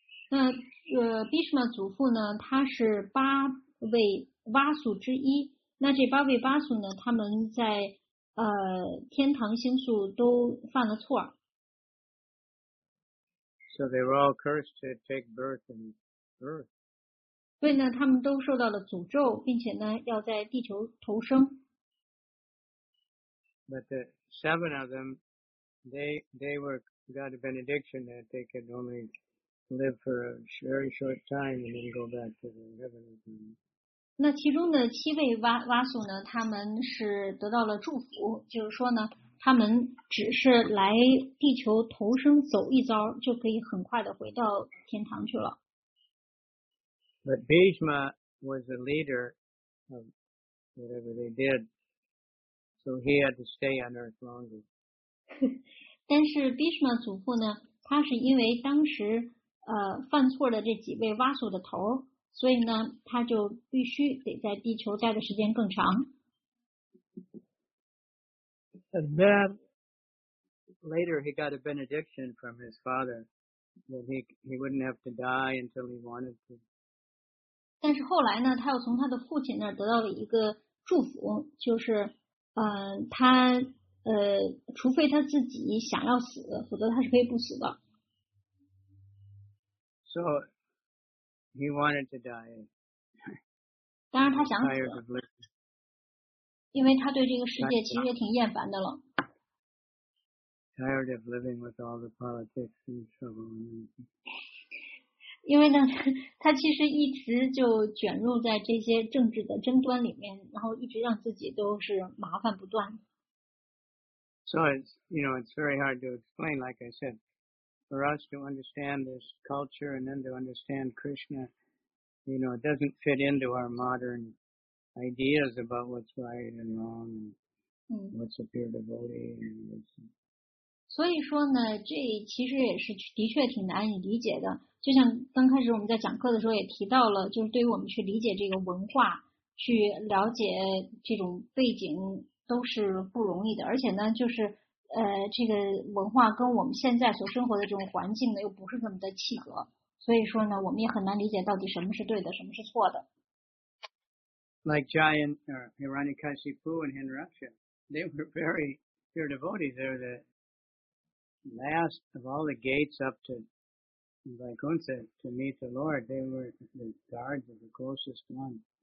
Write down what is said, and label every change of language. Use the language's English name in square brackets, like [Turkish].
[Chinese] 那Bhishma 祖父呢，他是八位 Vasu 之一，那这八位 Vasu 呢，他们在天堂星宿都犯了错。 [English] So they were all cursed to take birth in earth. [Chinese] 所以呢，他们都受到了诅咒，并且呢，要在地球投生。 [English] But the 7 of them, they were got a benediction that they could only live for a very short time and then go back to the heavenly kingdom. [Chinese] 那其中的七位瓦素呢，他们是得到了祝福，就是说呢，他们只是来地球投生走一遭，就可以很快的回到天堂去了。 [English] But Bhishma was the leader of whatever they did, so he had to stay on earth longer. [Chinese] 但是 Bhishma 祖父呢，他是因为当时犯错的这几位瓦素的头，所以呢，他就必须得在地球待的时间更长。 [English] And then later he got a benediction from his father that he wouldn't have to die until he wanted to. [Chinese] 但是后来呢，他又从他的父亲那儿得到了一个祝福，就是他除非他自己想要死，否则他是可以不死的。 [English] So. He wanted to die. [Chinese] 当然他想死了，因为他对这个世界其实也挺厌烦的了。 [English] Tired of living with all the politics and trouble and everything. [Chinese] 因为呢，他其实一直就卷入在这些政治的争端里面，然后一直让自己都是麻烦不断。 [English] So it's, you know, it's very hard to explain, like I said, for us to understand this culture and then to understand Krishna, you know, it doesn't fit into our modern ideas about what's right and wrong and what's a pure devotee and what's not. [Chinese] 所以说呢，这其实也是的确挺难以理解的。就像刚开始我们在讲课的时候也提到了，就是对于我们去理解这个文化，去了解这种背景都是不容易的，而且呢就是这个文化跟我们现在所生活的这种环境呢又不是那么的契合，所以说呢我们也很难理解到底什么是对的，什么是错的。 [English] Like Jai and Hiranyakashipu and Hinduraksha, they were very pure devotees. They're the last of all the gates up to Vaikuntha to meet the Lord. They were the guards of the closest one.